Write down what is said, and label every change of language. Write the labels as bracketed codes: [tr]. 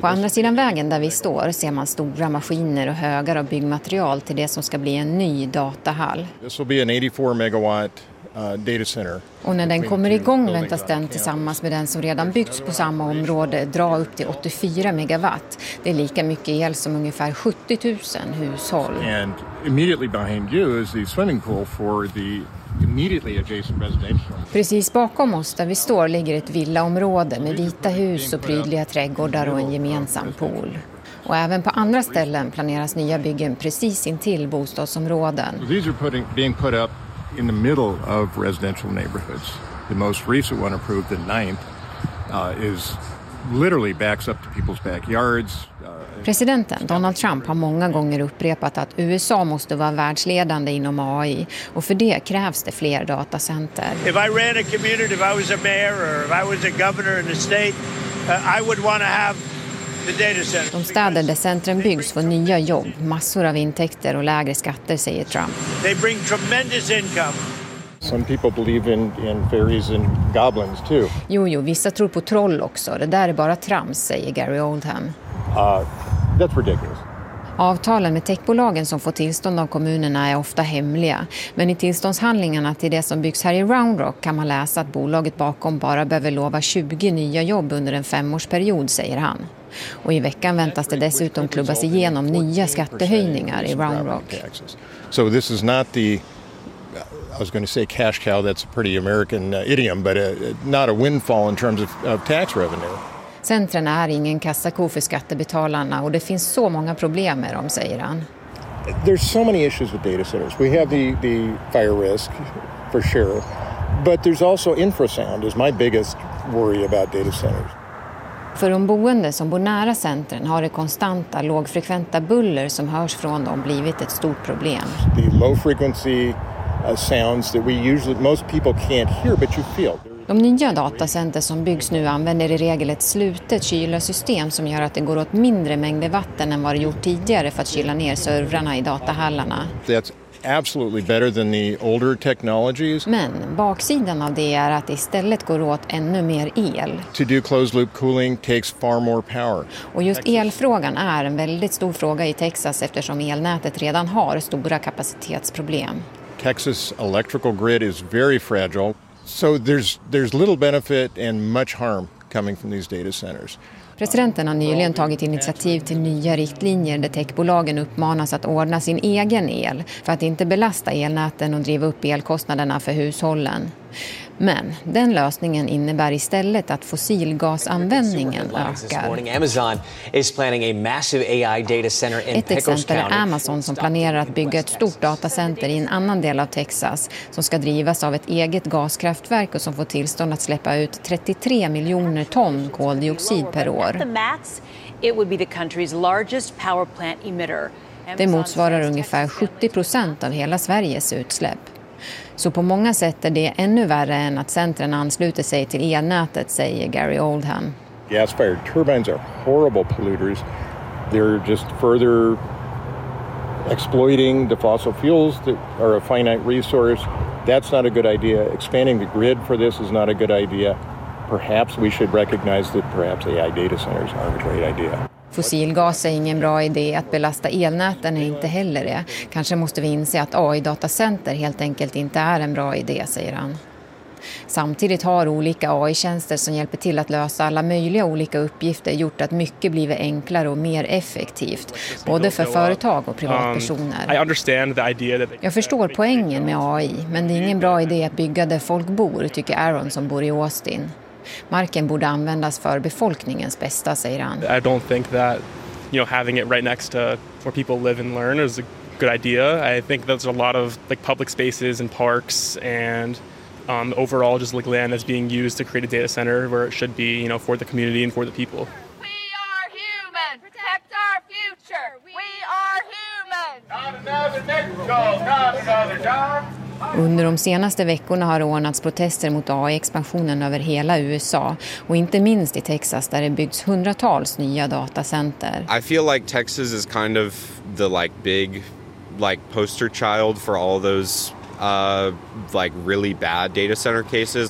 [sv] På andra sidan vägen där vi står ser man stora maskiner och högar av byggmaterial till det som ska bli en ny datahall. [en] This will be an 84 megawatt data center. [sv] Och när den kommer igång väntas den tillsammans med den som redan byggts på samma område dra upp till 84 megawatt. Det är lika mycket el som ungefär 70 000 hushåll. [en] And immediately behind you is the swimming pool for the immediately adjacent residential. [sv] Precis bakom oss där vi står ligger ett villaområde med vita hus och prydliga trädgårdar och en gemensam pool. Och även på andra ställen planeras nya byggen precis intill bostadsområden. [en] These are being put up in the middle of residential neighborhoods. The most recent one approved, the ninth, is literally backs up to people's backyards. [sv] Presidenten Donald Trump har många gånger upprepat att USA måste vara världsledande inom AI, och för det krävs det fler datacenter. [en] If I ran a community, if I was a mayor or if I was a governor in a state, I would want to have [sv] de städer där centren byggs får nya jobb, massor av intäkter och lägre skatter, säger Trump. [en] They bring tremendous income. Some people believe in fairies and goblins too. [sv] Jo, vissa tror på troll också. Det där är bara trams, säger Gary Oldham. [en] That's ridiculous. [sv] Avtalen med techbolagen som får tillstånd av kommunerna är ofta hemliga. Men i tillståndshandlingarna till det som byggs här i Round Rock kan man läsa att bolaget bakom bara behöver lova 20 nya jobb under en femårsperiod, säger han. Och i veckan väntas det dessutom klubbas igenom nya skattehöjningar i Round Rock. [en] So this is not the, I was going to say cash cow, that's a pretty American idiom, but not a windfall in terms of tax revenue. [sv] Centren är ingen kassako för skattebetalarna, och det finns så många problem med dem, säger han. [en] There's so many issues with data centers. We have the fire risk for sure, but there's also infrasound is my biggest worry about data centers. [sv] För de boende som bor nära centren har det konstanta lågfrekventa buller som hörs från dem blivit ett stort problem. [en] The low frequency sounds that we usually most people can't hear but you feel. [sv] De nya datacenter som byggs nu använder i regel ett slutet kylsystem som gör att det går åt mindre mängder vatten än vad det gjort tidigare för att kyla ner servrarna i datahallarna. [en] That's absolutely better than the older technologies. [sv] Men baksidan av det är att det istället går åt ännu mer el. [en] To do closed loop cooling takes far more power. [sv] Och just elfrågan är en väldigt stor fråga i Texas eftersom elnätet redan har stora kapacitetsproblem. [en] Texas electrical grid is very fragile. So there's little benefit and much harm coming from these data centers. [sv] Presidenten har nyligen tagit initiativ till nya riktlinjer där techbolagen uppmanas att ordna sin egen el för att inte belasta elnäten och driva upp elkostnaderna för hushållen. Men den lösningen innebär istället att fossilgasanvändningen ökar. [en] Amazon is planning a massive AI data center in Pecos County. [sv] Ett exempel är Amazon som planerar att bygga ett stort datacenter i en annan del av Texas som ska drivas av ett eget gaskraftverk och som får tillstånd att släppa ut 33 miljoner ton koldioxid per år. [en] It would be the country's largest power plant emitter. [sv] Det motsvarar ungefär 70% av hela Sveriges utsläpp. Så på många sätt är det ännu värre än att centren ansluter sig till elnätet, säger Gary Oldham. [en] Gas-fired turbines are horrible polluters. They're just further exploiting the fossil fuels that are a finite resource. That's not a good idea. Expanding the grid for this is not a good idea. Perhaps we should recognize that perhaps AI data centers aren't a great idea. [sv] Fossilgas är ingen bra idé, att belasta elnäten är inte heller det. Kanske måste vi inse att AI-datacenter helt enkelt inte är en bra idé, säger han. Samtidigt har olika AI-tjänster som hjälper till att lösa alla möjliga olika uppgifter gjort att mycket blivit enklare och mer effektivt, både för företag och privatpersoner. Jag förstår poängen med AI, men det är ingen bra idé att bygga där folk bor, tycker Aaron som bor i Austin. Marken borde användas för befolkningens bästa, säger han. [en] I don't think that, you know, having it right next to where people live and learn is a good idea. I think there's a lot of like public spaces and parks and overall just like land that's being used to create a data center where it should be, you know, for the community and for the people. We are human. Protect our future. We are human. Not another Negro. Not another job. [sv] Under de senaste veckorna har ordnats protester mot AI-expansionen över hela USA, och inte minst i Texas där det byggs hundratals nya datacenter. [en] I feel like Texas is kind of the like big like poster child for all those like really bad data center cases.